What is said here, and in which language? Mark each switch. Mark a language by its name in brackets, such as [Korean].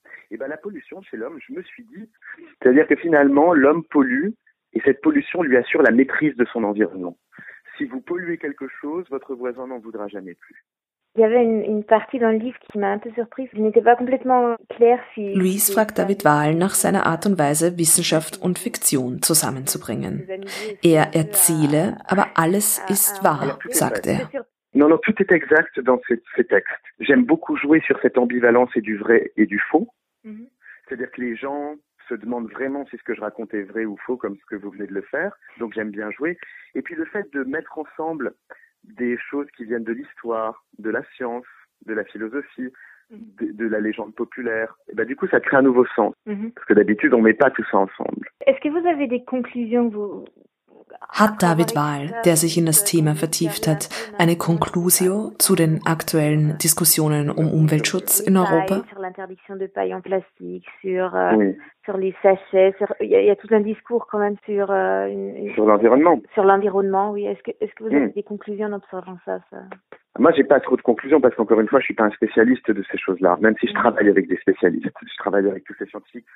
[French] Et bien la pollution chez l'homme, je me suis dit, c'est-à-dire que finalement l'homme pollue et cette pollution lui assure la maîtrise de son environnement. Si vous polluez quelque chose, votre voisin n'en voudra jamais plus. Il y avait une partie dans le livre qui m'a un peu surprise, je n'étais pas complètement claire si... [German] Louise fragt David Wahl nach seiner Art und Weise, Wissenschaft und Fiktion zusammenzubringen. Er erzähle, aber alles ist wahr, sagt er. [French] Non, non, tout est exact dans ces textes. J'aime beaucoup jouer sur cette ambivalence et du vrai et du faux. C'est-à-dire que les gens se demandent vraiment si ce que je raconte est vrai ou faux, comme ce que vous venez de le faire. Donc j'aime bien jouer. Et puis le fait de mettre ensemble des choses qui viennent de l'histoire, de la science, de la philosophie, de la légende populaire, et ben, du coup ça crée un nouveau sens. Parce que d'habitude on ne met pas tout ça ensemble. Est-ce que vous avez des conclusions vous? [German] Hat David Wahl, der sich in das Thema vertieft hat, eine Conclusio zu den aktuellen Diskussionen um Umweltschutz in Europa? [French] Sur l'interdiction de paille en plastique, sur les sachets, il y a tout un discours quand même sur... sur l'environnement. Sur l'environnement, oui. Est-ce que vous avez des conclusions en observant ça? Moi, j'ai pas trop de conclusions parce qu'encore une fois, je suis pas un spécialiste de ces choses-là, même si je travaille avec des spécialistes, je travaille avec tous ces scientifiques.